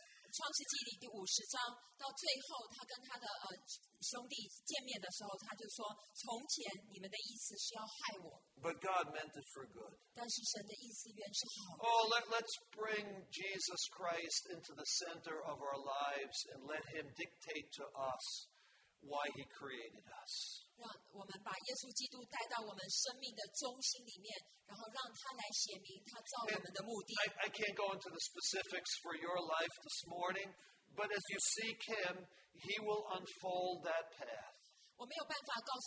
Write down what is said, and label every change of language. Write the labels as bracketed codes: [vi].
[zh] 创世纪里第五十章，到最后他跟他的兄弟见面的时候，他就说：“从前你们的意思是要害我。” [en] But God meant it for good. [zh] 但是神的意思原是好。 [en] Oh, let's bring Jesus Christ into the center of our lives and let Him dictate to us why He created us. [zh] 让我们把耶稣基督带到我们生命的中心里面，然后让他来显明他造我们的目的。 [en] I can't go into the specifics for your life this morning. But as you seek Him, He will unfold that path.